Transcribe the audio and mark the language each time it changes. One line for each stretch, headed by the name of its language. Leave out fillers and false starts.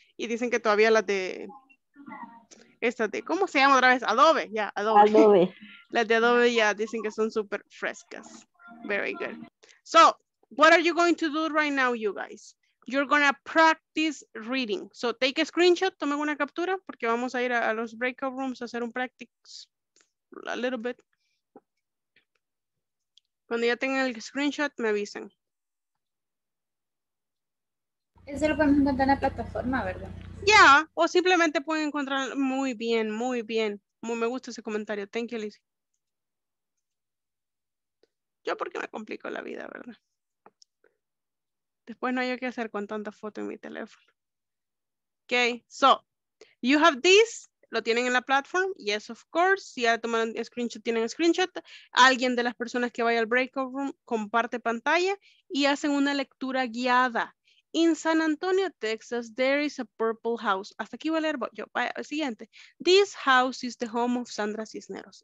Spanish: Y dicen que todavía las de estas de, ¿cómo se llama otra vez? Adobe, ya, yeah, Adobe. Adobe. Las de Adobe ya dicen que son super frescas.
English: Very good. So, what are you going to do right now, you guys? You're going to practice reading. So, take a screenshot,
Spanish: tomen una captura, porque vamos a ir a los breakout rooms a hacer un
English: practice a little bit.
Spanish: Cuando ya tengan el screenshot, me avisan. Eso lo podemos encontrar en la plataforma, ¿verdad? Ya, yeah, o simplemente pueden encontrar muy bien, muy bien. Muy, me gusta ese comentario.
English: Thank you,
Spanish: Lizzie. Yo porque me complico la vida, ¿verdad? Después no hay que hacer con tanta foto en mi teléfono.
English: Okay, so, you have this.
Spanish: Lo tienen en la
English: platform. Yes, of course.
Spanish: Si ya tomaron screenshot, tienen screenshot. Alguien de las personas que vaya al breakout room comparte pantalla y hacen una lectura guiada.
English: In San Antonio, Texas, there is a purple house.
Spanish: Hasta aquí voy a leer yo. Vaya, el siguiente.
English: This house is the home of Sandra Cisneros.